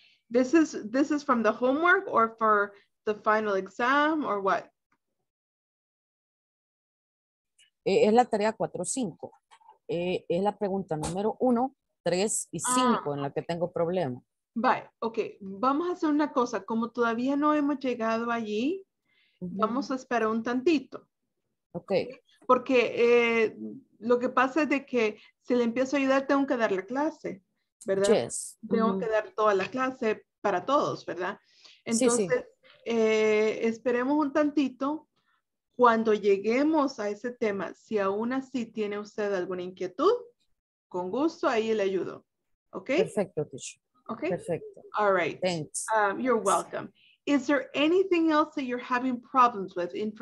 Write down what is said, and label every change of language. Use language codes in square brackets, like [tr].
[en] This is from the homework or for the final exam or what? [es] Es la tarea 4, 5. Es la pregunta número 1, 3 y 5 en la que tengo problema. Bye. Okay, vamos a hacer una cosa. Como todavía no hemos llegado allí, vamos a esperar un tantito. [en] Okay. [es] Porque lo que pasa es de que si le empiezo a ayudar, tengo que dar la clase, ¿verdad? [en] Yes. [es] Tengo que dar toda la clase para todos, ¿verdad? Entonces, sí, sí. Esperemos un tantito. Cuando lleguemos a ese tema, si aún así tiene usted alguna inquietud, con gusto, ahí le ayudo. ¿Ok? Perfecto, teacher. [en] Okay. [es] Perfecto. [en] All right. Thanks. You're welcome. Is there anything else that you're having problems with?